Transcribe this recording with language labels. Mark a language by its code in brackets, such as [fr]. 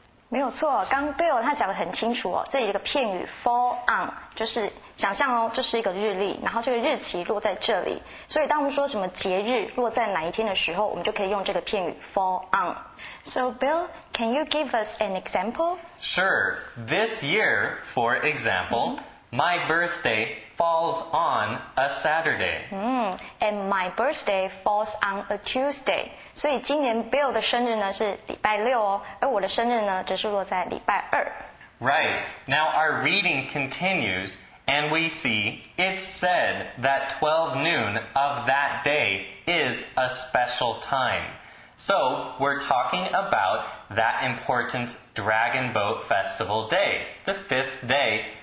[zh] 没有错，刚 Bill 他讲得很清楚哦，这一个片语 fall on 就是想象哦，这是一个日历，然后这个日期落在这里，所以当我们说什么节日落在哪一天的时候，我们就可以用这个片语 fall on. [en] So Bill, can you give us an example? Sure. This year, for example,my birthday falls on a Saturday. And my birthday falls on a Tuesday. [zh] 所以今年 Bill 的生日呢是礼拜六哦，而我的生日呢只是落在礼拜二。 [en] Right. Now our reading continues, and we see it's said that 12 noon of that day is a special time. So we're talking about that important Dragon Boat Festival day, the fifth day.